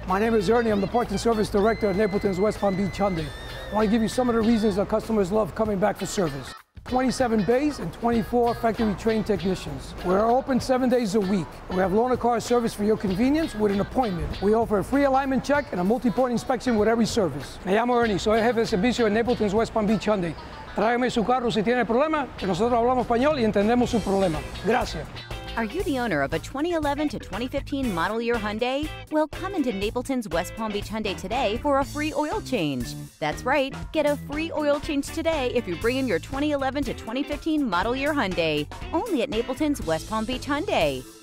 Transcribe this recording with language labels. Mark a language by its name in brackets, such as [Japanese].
[English] My name is Ernie. I'm the parking service director at Napleton's West Palm Beach Hyundai. I want to give you some of the reasons our customers love coming back for service. 27 bays and 24 factory trained technicians. We're open 7 days a week. We have loaner car service for your convenience with an appointment. We offer a free alignment check and a multi-point inspection with every service. [Spanish] Me llamo Ernie, soy jefe de servicio en Napleton's West Palm Beach Hyundai. Tráigame su carro si tiene problema, que nosotros hablamos español y entendemos su problema. Gracias. [English] Are you the owner of a 2011 to 2015 model year Hyundai? Well, come into Napleton's West Palm Beach Hyundai today for a free oil change. That's right, get a free oil change today if you bring in your 2011 to 2015 model year Hyundai. Only at Napleton's West Palm Beach Hyundai.